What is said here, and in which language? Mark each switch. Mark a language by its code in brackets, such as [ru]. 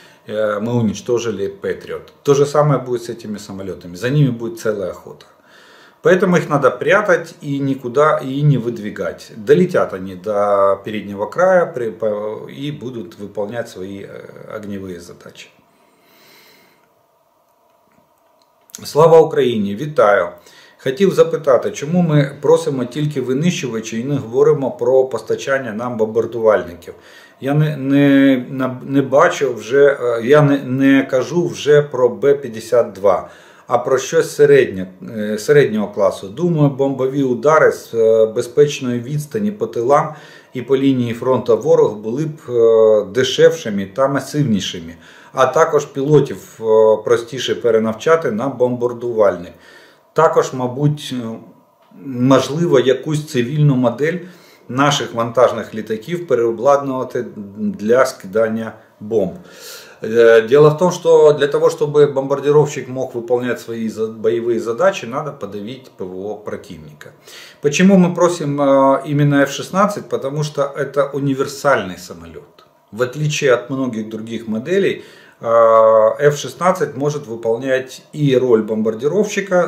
[ru] Мы уничтожили Патриот. То же самое будет с этими самолетами. За ними будет целая охота. Поэтому их надо прятать и никуда и не выдвигать. Долетят они до переднего края и будут выполнять свои огневые задачи. [uk] Слава Україні! Вітаю! Хотів запитати, чому ми просимо тільки винищувачі і не говоримо про постачання нам бомбардувальників? Я не бачу вже, я не кажу вже про Б-52, а про щось середнього класу. Думаю, бомбові удари з безпечної відстані по тилам і по лінії фронту ворог були б дешевшими та масивнішими, а також пілотів простіше перенавчати на бомбардувальник. Також, мабуть, можливо, якусь цивільну модель наших вантажних літаків переобладнувати для скидання бомб. [ru] Дело в том, что для того, чтобы бомбардировщик мог выполнять свои боевые задачи, надо подавить ПВО противника. Почему мы просим именно F-16? Потому что это универсальный самолет. В отличие от многих других моделей, F-16 может выполнять и роль бомбардировщика.